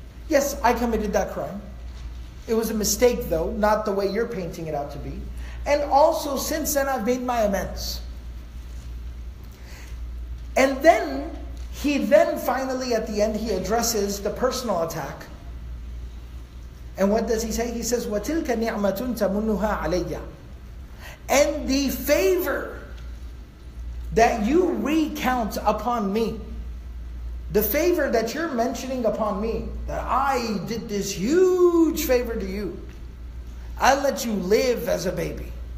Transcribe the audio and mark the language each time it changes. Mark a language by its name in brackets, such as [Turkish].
[English] Yes, I committed that crime. It was a mistake though, not the way you're painting it out to be. And also since then I've made my amends. And then, he then finally at the end, he addresses the personal attack. And what does he say? He says, [Arabic] وَتِلْكَ نِعْمَةٌ تَمُنُّهَا عَلَيَّ. [English] And the favor that you recount upon me, the favor that you're mentioning upon me, that I did this huge favor to you, I let you live as a baby.